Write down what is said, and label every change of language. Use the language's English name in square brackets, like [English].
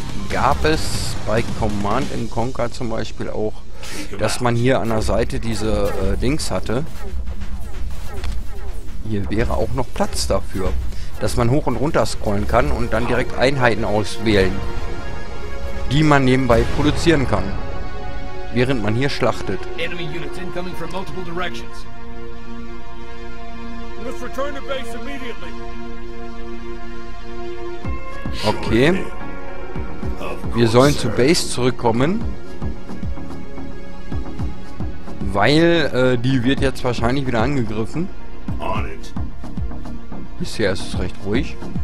[German] Gab es bei Command & Conquer zum Beispiel auch, dass man hier an der Seite diese Dings hatte. Hier wäre auch noch Platz dafür, dass man hoch und runter scrollen kann und dann direkt Einheiten auswählen, die man nebenbei produzieren kann, während man hier schlachtet. [English] Enemy units incoming from multiple directions. Let's return to base immediately. Okay. [German] Wir sollen zu Base zurückkommen. Weil die wird jetzt wahrscheinlich wieder angegriffen. Bisher ist es recht ruhig.